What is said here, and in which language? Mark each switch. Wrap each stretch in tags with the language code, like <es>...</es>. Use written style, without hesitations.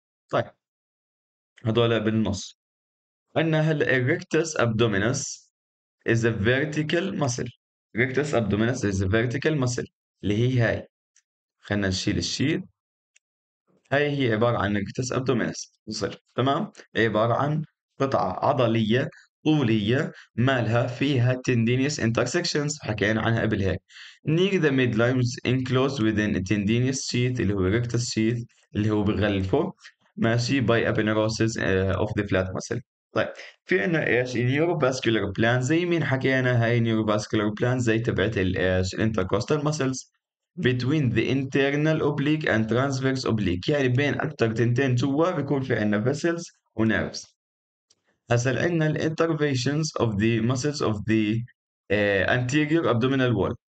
<ar>طيب هذول بالنص. ان هل الريكتس ابدومينس از فيرتيكال مسل، الريكتس ابدومينس از فيرتيكال مسل اللي هي هاي، خلينا نشيل الشيث، هاي هي عبارة عن ريكتس ابدومينس مسل تمام، عبارة عن قطعة عضلية طولية مالها فيها</ar> <en>tendinous intersections</en> <ar>حكينا عنها قبل هيك.</ar> <en>near the midline is enclosed within a tendinous sheath اللي هو rectus sheath</en> <ar>اللي هو بغلفه ماشي</ar> <en>by aponeurosis of the flat muscle.</en> <ar>طيب في عنا ايش neurovascular plan زي مين حكينا، هاي neurovascular plan زي تبعت الايش</ar> <en>intercostal muscles between the internal oblique and transverse oblique،</en> <ar>يعني بين اكثر تنتين جوا بيكون في عنا vessels و nerves. هسه عندنا</ar> <en>ال innervations of the muscles of the anterior abdominal wall.</en>